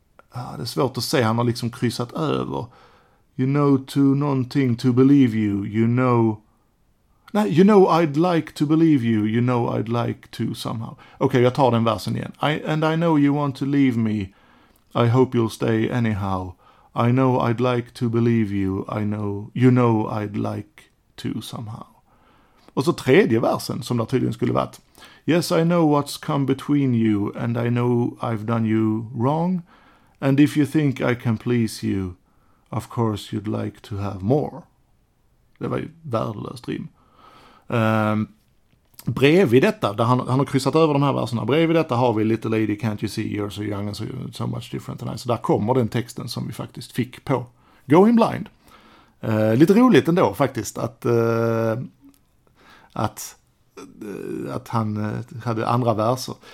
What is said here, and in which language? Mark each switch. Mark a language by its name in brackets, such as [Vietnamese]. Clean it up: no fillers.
[Swedish] Ah, det är svårt att säga. Han har liksom kryssat över. [English] You know to [Swedish] någonting [English] to believe you. You know... [Swedish] Nej, [English] you know I'd like to believe you. You know I'd like to somehow. [Swedish] Okej, jag tar den versen igen. [English] And I know you want to leave me. I hope you'll stay anyhow. I know I'd like to believe you. I know you know I'd like to somehow. [Swedish] Och så tredje versen som naturligen skulle varit. [English] Yes, I know what's come between you and I know I've done you wrong. And if you think I can please you, of course you'd like to have more. [Swedish] Det var ju värdelöst rim. bredvid detta, där han har kryssat över de här verserna, bredvid detta har vi Little Lady, Can't You See, You're So Young and So Much Different Than I. Så där kommer den texten som vi faktiskt fick på Going Blind. Lite roligt ändå faktiskt att han hade andra verser.